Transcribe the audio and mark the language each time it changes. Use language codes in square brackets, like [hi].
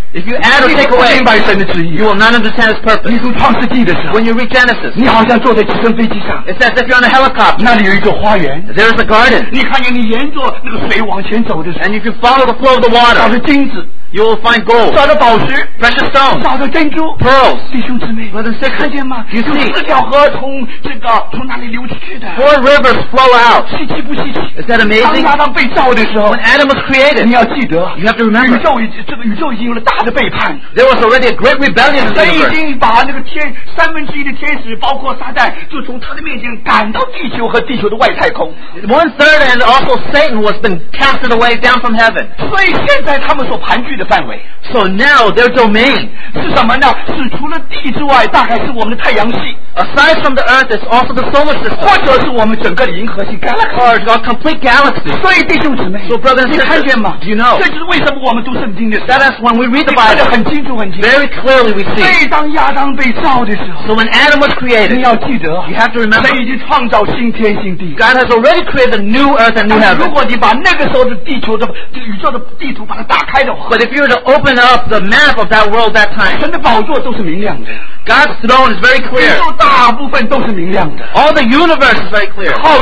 [en] If you add or take away, you will not understand his purpose. [zh] 你读创世纪的时候 [en] when you read Genesis, [zh] 你好像坐在直升飞机上 [en] It's as if you're on a helicopter. [zh] 那里有一座花园 [en] There is a garden. [zh] 你看见你沿着那个水往前走的时候 [en] And if you follow the flow of the water, [zh] 找着金子 [en] you will find gold. [zh] 找着宝石 [en] precious stones. [zh] 找着珍珠 [en] pearls. [zh] 弟兄姊妹 [en] brothers and sisters, [zh] 看见吗？ [en] You see, [zh] 有四条河从那里流出去的 [en] Four rivers flow out. [zh] 稀奇不稀奇？ [en] Is that amazing? [zh] 当亚当被造的时候 [en] when Adam was created, [zh] 你要记得 [en] you have to remember, [zh] 宇宙已经有了大 [en] There was already a great rebellion in the universe. [zh] 神已经把那个天三分之一的天使，包括撒旦，就从他的面前赶到地球和地球的外太空。 [en] One third and also Satan was been casted away down from heaven. [zh] 所以现在他们所盘踞的范围。 [en] So now their domain [zh] 是什么呢？是除了地之外，大概是我们的太阳系。 [en] Aside from the Earth, it's also the solar system. [zh] 或者是我们整个的银河系 galaxy. [en] Or a complete galaxy. [zh] 所以弟兄姊妹 [en] ，So brothers, [zh] 你看见吗 [en] ？Do you know? [zh] 这就是为什么我们读圣经的。 [en] That is when we read the Bible. [zh] 看得很清楚，很清楚。 [en] Very clearly, we see. [zh] 所以当亚当被造的时候 [en] ，So when Adam was created, [zh] 你要记得 [en] ，You have to remember. [zh] 神已经创造新天新地。 [en] God has already created a new Earth and new heaven. [zh] 如果你把那个时候的地球的宇宙的地图把它打开的话 [en] ，But if you were to open up the map of that world that time, God's throne is very clear. All the universe is very clear.